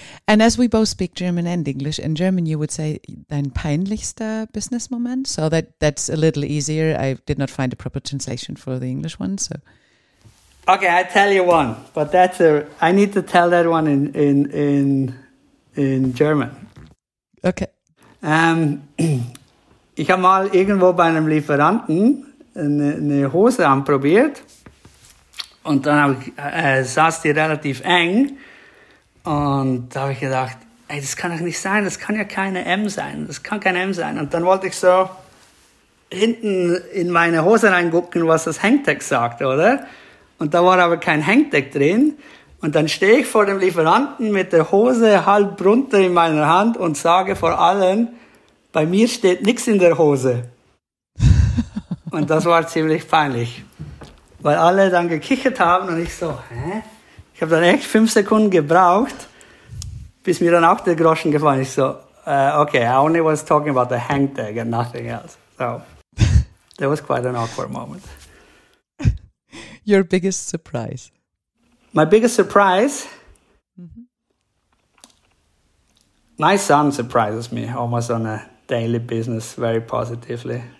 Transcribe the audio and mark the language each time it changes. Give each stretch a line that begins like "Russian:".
English: And as we both speak German and English, in German you would say
German: dein peinlichster
English: business moment. So that's a little easier. I did not find a proper translation for the English one. So, okay, I tell you one, but I need to tell that one in German. Okay.
German: Ich habe mal irgendwo bei einem Lieferanten eine Hose anprobiert. Und dann saß die relativ eng, und da habe ich gedacht, ey, das kann doch nicht sein, das kann ja keine M sein, das kann kein M sein. Und dann wollte ich so hinten in meine Hose reingucken, was das Hangtag sagt, oder? Und da war aber kein Hangtag drin. Und dann stehe ich vor dem Lieferanten mit der Hose halb runter in meiner Hand und sage vor allen, bei mir steht nichts in der Hose. Und das war ziemlich peinlich. Weil alle dann gekichert haben und ich so, hä? Ich habe dann echt 5 Sekunden gebraucht, bis mir dann auch der Groschen gefallen ist. Ich so, okay,
English: I only was talking about the hang tag and nothing else. So, that was quite an awkward moment. Your biggest surprise? My biggest surprise? Mm-hmm. My son surprises me almost on a daily business very positively.